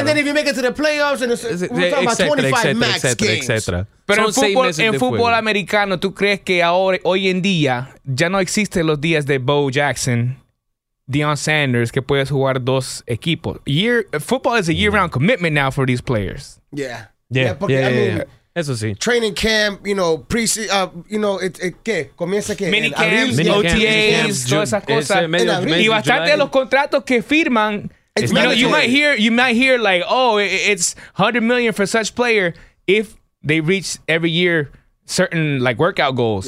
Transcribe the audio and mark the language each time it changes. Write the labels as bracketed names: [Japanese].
[English] And then if you make it to the playoffs, and we're talking about 25 max games. [Spanish] Pero en fútbol americano, ¿tú crees que ahora, hoy en día, ya no existen los días de Bo Jackson, Deion Sanders, que puedes jugar dos equipos? [English] Football is a year-round commitment now for these players. [Spanish] Eso sí. [English] Training camp, you know, [Spanish] ¿qué? Comienza que mini camps, OTAs, todas esas cosas. Y bastante de los contratos que firman... [English] You might hear like, oh, it's $100 million for such player if they reach every year certain like workout goals.